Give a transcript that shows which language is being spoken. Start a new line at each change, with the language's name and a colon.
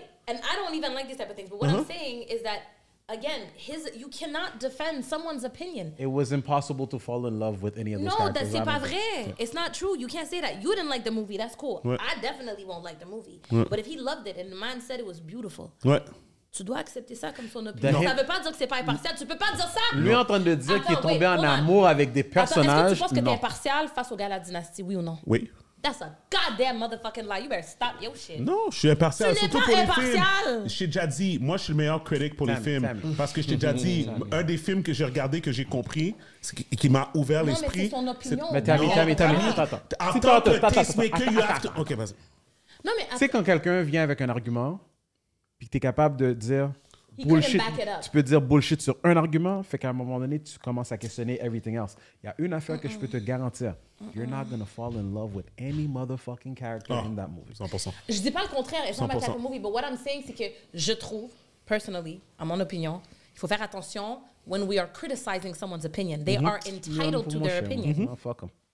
English: And I don't even like these type of things. But what I'm saying is that, again, you cannot defend someone's opinion. It was impossible to fall in love with any of those characters. No, that's
French: pas vrai.
English: Yeah. It's not true. You can't say that. You didn't like the movie. That's cool. Ouais. I definitely won't like the movie. Ouais. But if he loved it and the man said it was beautiful.
French: Ouais. Tu dois accepter ça comme son opinion. Ça veut pas dire que c'est pas impartial. Tu peux pas dire ça. Lui est en train de dire qu'il est tombé en amour avec des personnages. Est-ce que tu penses que t'es impartial face au gars de la dynastie, oui ou non? Oui.
English: That's a goddamn motherfucking lie. You better stop your shit.
French: Non, je suis impartial. Surtout pour les films. J'ai déjà dit, moi, je suis le meilleur critic pour les films. Parce que je t'ai déjà dit, un des films que j'ai regardé, que j'ai compris, qui m'a ouvert l'esprit. Mais c'est son opinion. Mais attends. Ok, vas-y. Non, mais. Tu sais, quand quelqu'un vient avec un argument, puis que t'es capable de dire. Bullshit. Tu peux dire bullshit sur un argument, fait qu'à un moment donné, tu commences à questionner
English: everything else.
French: Il y a une affaire que je peux te garantir.
English: You're not going to fall in love with any motherfucking character in that movie. 100%.
French: Je dis pas le contraire,
English: it's not my type of movie, but what I'm saying,
French: c'est que je trouve,
English: personally,
French: à mon opinion, il faut faire attention
English: when we are criticizing someone's opinion. They are entitled to their opinion. Oh, fuck them.